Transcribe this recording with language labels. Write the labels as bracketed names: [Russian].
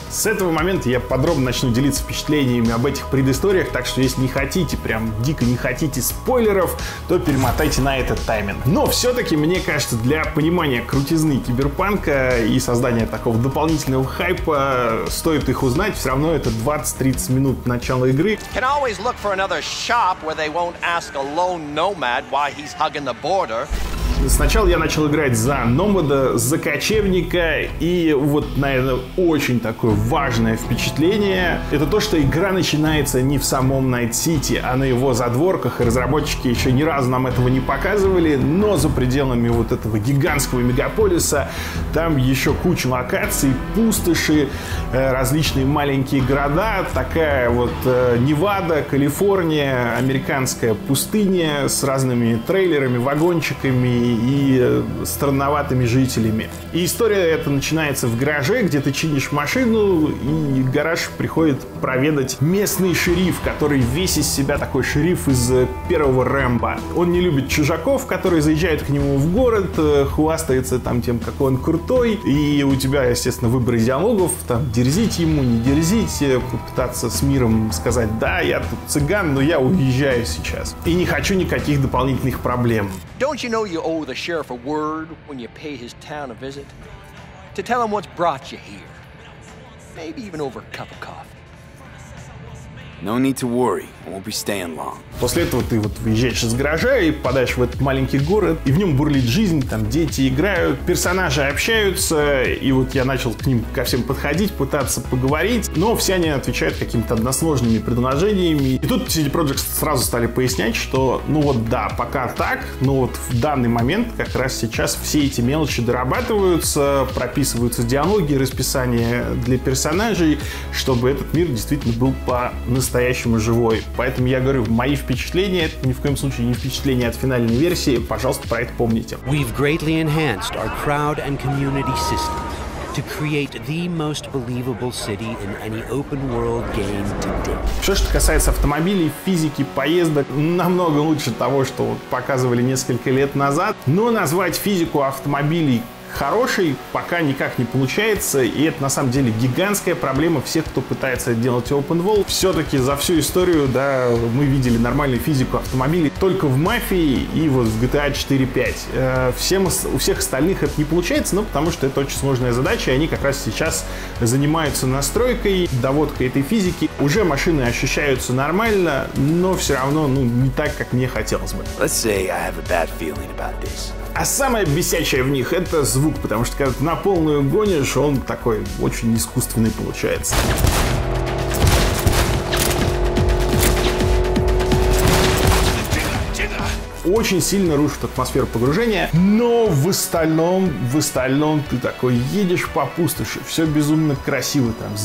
[Russian] С этого момента я подробно начну делиться впечатлениями об этих предысториях, так что если не хотите, прям дико не хотите спойлеров, то перемотайте на этот тайминг. Но все-таки, мне кажется, для понимания крутизны киберпанка и создания такого дополнительного хайпа стоит их узнать. Все равно это 20-30 минут начала игры. [English] Can always look for another shop where they won't ask a lone nomad why he's hugging the border. [Russian] Сначала я начал играть за номада, за кочевника, и вот, наверное, очень такое важное впечатление, это то, что игра начинается не в самом Night City, а на его задворках, и разработчики еще ни разу нам этого не показывали, но за пределами вот этого гигантского мегаполиса, там еще куча локаций, пустоши, различные маленькие города, такая вот Невада, Калифорния, американская пустыня с разными трейлерами, вагончиками и странноватыми жителями. И история эта начинается в гараже, где ты чинишь машину, и гараж приходит проведать местный шериф, который весь из себя такой шериф из первого Рэмбо. Он не любит чужаков, которые заезжают к нему в город, хвастается там тем, какой он крутой, и у тебя, естественно, выбор диалогов, там, дерзить ему, не дерзить, попытаться с миром сказать: да, я тут цыган, но я уезжаю сейчас, и не хочу никаких дополнительных проблем. [English] Don't you know you owe the sheriff a word when you pay his town a visit? to tell him what's brought you here. Maybe even over a cup of coffee. No need to worry. Won't be staying long. [Russian] После этого ты вот въезжаешь из гаража и попадаешь в этот маленький город, и в нем бурлит жизнь, там дети играют, персонажи общаются, и вот я начал к ним ко всем подходить, пытаться поговорить, но все они отвечают какими-то односложными предложениями. И тут CD Projekt сразу стали пояснять, что ну вот да, пока так, но вот в данный момент, как раз сейчас, все эти мелочи дорабатываются, прописываются диалоги, расписание для персонажей, чтобы этот мир действительно был по-настоящему живой. Поэтому я говорю, мои впечатления — это ни в коем случае не впечатления от финальной версии. Пожалуйста, про это помните. [English] We've greatly enhanced our crowd and community system to create the most believable city in any open-world game to date. [Russian] Все, что касается автомобилей, физики, поездок, намного лучше того, что показывали несколько лет назад. Но назвать физику автомобилей хороший пока никак не получается, и это на самом деле гигантская проблема всех, кто пытается делать open world. Все-таки за всю историю, да, мы видели нормальную физику автомобилей только в Мафии и вот в GTA 4.5. У всех остальных это не получается, но потому что это очень сложная задача, и они как раз сейчас занимаются настройкой, доводкой этой физики. Уже машины ощущаются нормально, но все равно, ну, не так, как мне хотелось бы. [English] Let's say I have a bad feeling about this. [Russian] А самое бесячее в них — это звук, потому что когда ты на полную гонишь, он такой очень искусственный получается. Очень сильно рушит атмосферу погружения, но в остальном ты такой едешь по пустоши, все безумно красиво там.